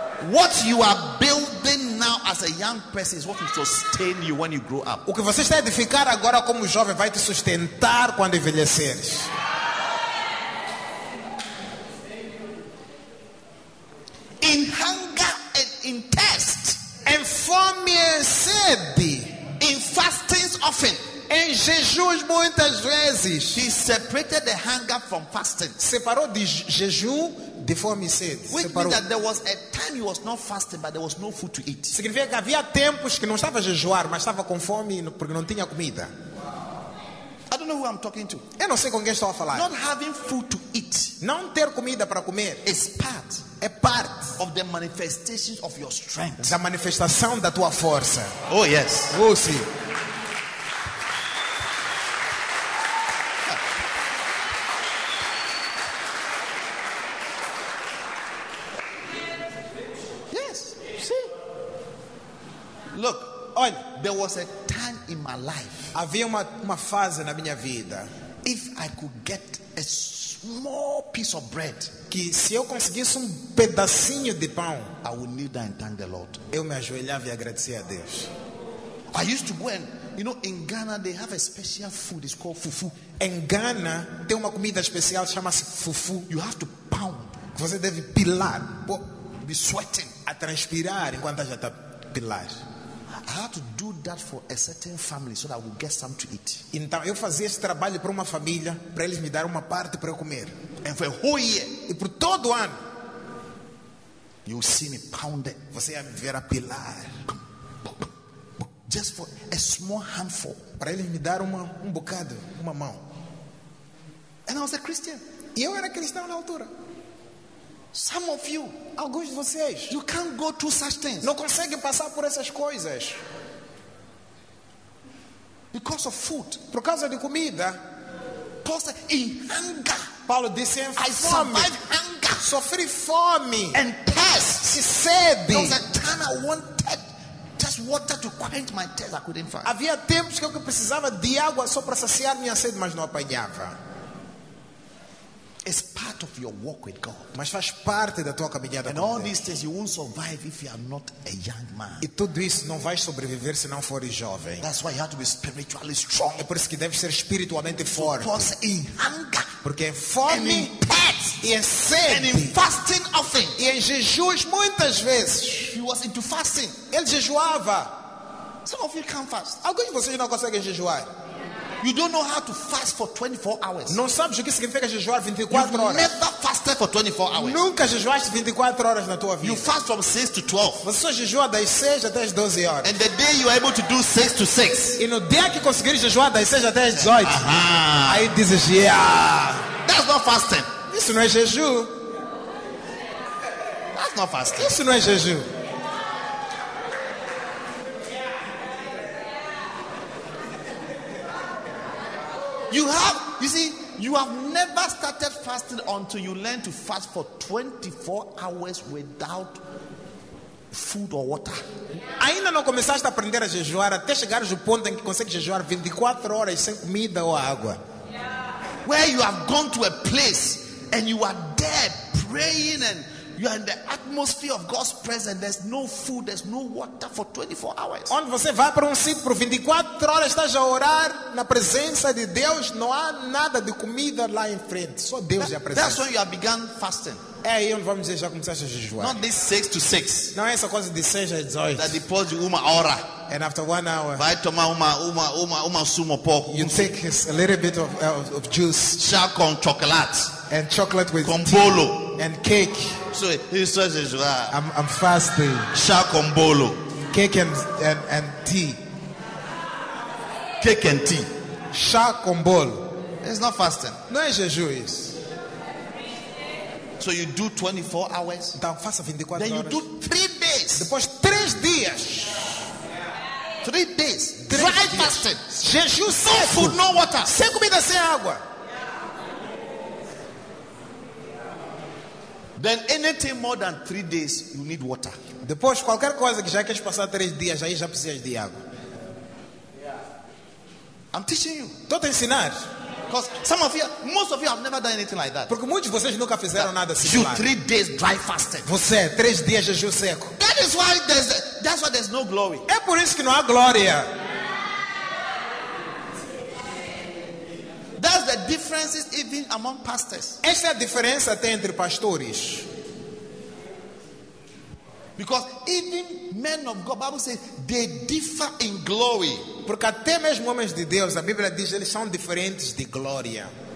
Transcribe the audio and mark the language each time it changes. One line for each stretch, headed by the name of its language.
English: What you are building now as a young person is what will sustain you when you grow up.
Portuguese: O que você está a edificar agora como jovem vai te sustentar quando envelheceres.
English: In hunger and in thirst,
Portuguese: em fome e sede,
English: in fastings often,
Portuguese: em jejuns muitas vezes,
English: he separated the hunger from fasting.
Portuguese: Separou de jejum de fome e sede.
English: Which means that there was a time he was not fasting, but there was no food to eat.
Portuguese: Significa que havia tempos que não estava a jejuar, mas estava com fome porque não tinha comida.
English: I don't know who I'm talking to.
Portuguese: Eu não sei com quem estou a falar.
English: Not having food to eat,
Portuguese: não ter comida para comer,
English: is part.
Portuguese: É parte
English: of the manifestation of your strength.
Portuguese: Da manifestação da tua força.
English: Oh yes.
Portuguese: Oh sim.
English: Yes. See. Look,
Portuguese: olha,
English: there was a time in my life.
Portuguese: Havia uma fase na minha vida.
English: If I could get a small piece of bread,
Portuguese: que se eu conseguisse pedacinho de pão,
English: I would kneel down and thank the Lord.
Portuguese: Eu me ajoelhava e agradecia a Deus.
English: I used to go and, you know, in Ghana they have a special food. It's called fufu.
Portuguese: Em Ghana tem uma comida especial chama-se fufu.
English: You have to pound.
Portuguese: Você deve pilar,
English: be sweating,
Portuguese: a transpirar enquanto já está pilar.
English: I had to do that for a certain family so that I would get some to eat.
Portuguese: Então eu fazia esse trabalho para uma família para eles me dar uma parte para eu comer.
English: And for a whole year,
Portuguese: e por todo o ano,
English: you see me pounded.
Portuguese: Você ia me ver a pilar.
English: Just for a small handful,
Portuguese: para eles me dar um bocado, uma mão.
English: And I was a Christian.
Portuguese: E eu era cristão na altura.
English: Some of you,
Portuguese: alguns de vocês,
English: you can't go through such things.
Portuguese: Não conseguem passar por essas coisas.
English: Because of food,
Portuguese: por causa de comida.
English: Paul said, in hunger,
Portuguese: Paulo disse, em fome,
English: I survived hunger,
Portuguese: sofri fome,
English: and thirst,
Portuguese: se sede.
English: There was a time I wanted just water to quench my thirst, I couldn't find.
Portuguese: Havia tempos que eu precisava de água só para saciar minha sede, mas não apanhava.
English: It's part of your walk with God.
Portuguese: Mas faz parte da tua caminhada com Deus.
English: And all these things you won't survive if you are not a young man.
Portuguese: E tudo isso não vais sobreviver se não fores jovem.
English: That's why you have to be spiritually strong.
Portuguese: É por isso que deves ser espiritualmente forte.
English: Because in hunger,
Portuguese: porque em fome,
English: and in thirst,
Portuguese: e em sede,
English: and in fasting often,
Portuguese: e em jejuns muitas vezes.
English: He was into fasting.
Portuguese: Ele jejuava.
English: Some of you can't fast.
Portuguese: Alguns de vocês não conseguem jejuar.
English: You don't know how to fast for 24 hours.
Portuguese: Não sabes o que significa jejuar 24
English: You've
Portuguese: horas.
English: You've never fasted for 24 hours.
Portuguese: Nunca jejuaste 24 horas na tua vida.
English: You fast from 6 to 12.
Portuguese: Você só jejua das 6 até as 12 horas.
English: And the day you are able to do 6 to 6.
Portuguese: E no dia que conseguir jejuar das 6 até as 18. Uh-huh. Aí dizes, yeah.
English: That's not fasting.
Portuguese: Isso não é jejum.
English: That's not fasting.
Portuguese: Isso não é jejum.
English: You have never started fasting until you learn to fast for 24 hours without food or water.
Portuguese: Ainda não começaste a aprender a jejuar até chegar ao ponto em que consegue jejuar 24 horas sem comida ou água.
English: Where you have gone to a place and you are there praying and you are in the atmosphere of God's presence. There's no food, there's no water for 24 hours.
Portuguese: Onde você vai para sítio por 24 horas, estás a orar na presença de Deus, não há nada de comida lá em frente. Só Deus é a presença.
English: That's when you have begun fasting.
Portuguese: É aí onde vamos dizer, já começaste a jejuar.
English: Not this 6 to 6.
Portuguese: Não é essa coisa de 6 a 18.
English: That deposit
Portuguese: uma hora.
English: And after 1 hour.
Portuguese: Vai tomar uma sumo pouco.
English: You take a little bit of juice. Chaco and chocolate. And chocolate with Combolo. Tea. And cake. So I'm fasting. Shakombolo. Cake and tea. Cake and tea. Shakombolo. It's not fasting. No, it's jejuis. So you do 24 hours.
Portuguese: Então, faça 24
English: then
Portuguese: horas.
English: You do 3 days.
Portuguese: The Depois 3 dias.
English: 3 days. Dry fasting.
Portuguese: Jejum seco.
English: No food, no water.
Portuguese: Sem comida, sem água.
English: Then anything more than 3 days, you need water.
Portuguese: Depois qualquer coisa que já queres passar 3 dias, aí já precisas de água.
English: I'm teaching you.
Portuguese: Estou a ensinar.
English: Because some of you, most of you have never done anything like that.
Portuguese: Porque muitos de vocês nunca fizeram that nada similar.
English: You 3 days dry fasted.
Portuguese: Você 3 dias jejum seco.
English: That is why there's no glory.
Portuguese: É por isso que não há glória.
English: That's the difference even among pastors.
Portuguese: Essa é a diferença até entre pastores.
English: Because even men of God, Bible says they differ in glory.
Portuguese: Porque até mesmo homens de Deus, a Bíblia diz, eles são diferentes de glória.